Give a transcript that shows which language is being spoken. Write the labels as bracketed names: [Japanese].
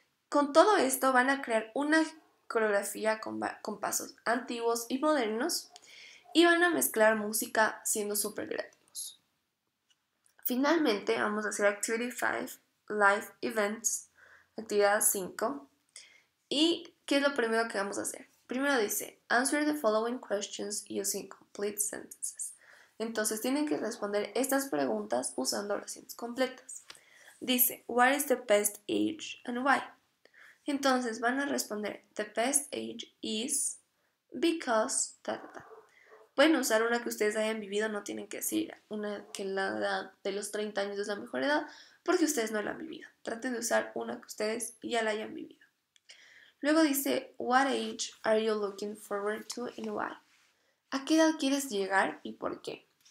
[Spanish] Con todo esto van a crear una coreografía con pasos antiguos y modernos y van a mezclar música siendo súper creativos. Finalmente vamos a hacer Activity 5, Live Events, actividad 5. ¿Y qué es lo primero que vamos a hacer? Primero dice, [English] answer the following questions using complete sentences. [Spanish] Entonces tienen que responder estas preguntas usando oraciones completas. Dice, [English] what is the best age and why? [Spanish] Entonces van a responder, [English] the best age is because ta ta ta. [Spanish] Pueden usar una que ustedes hayan vivido, no tienen que decir una que la edad de los 30 años es la mejor edad, porque ustedes no la han vivido. Traten de usar una que ustedes ya la hayan vivido. Luego dice, [English] what age are you looking forward to and why? [Spanish] ¿A qué edad quieres llegar y por qué?